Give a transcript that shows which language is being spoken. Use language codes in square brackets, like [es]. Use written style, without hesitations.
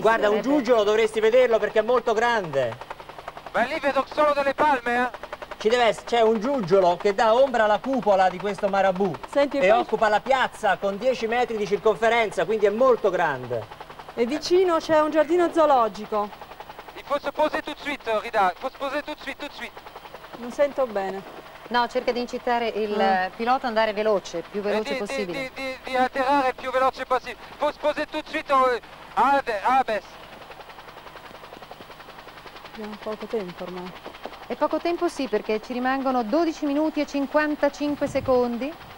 [it] guarda, un giuggiolo dovresti vederlo perché è molto grande. Ma lì vedo solo delle palme, eh? Ci deve essere, c'è un giuggiolo che dà ombra alla cupola di questo marabù. Senti, e occupa la piazza con 10 metri di circonferenza, quindi è molto grande. E vicino c'è un giardino zoologico. [fr] Il faut se poser tout de suite, Rida, il faut se poser tout de suite. [it] Non sento bene. No, cerca di incitare il pilota ad andare veloce, più veloce possibile. Di atterrare più veloce possibile. [fr] Faut se poser tout de suite, Abes. [it] Abbiamo poco tempo ormai. E poco tempo sì, perché ci rimangono 12 minuti e 55 secondi.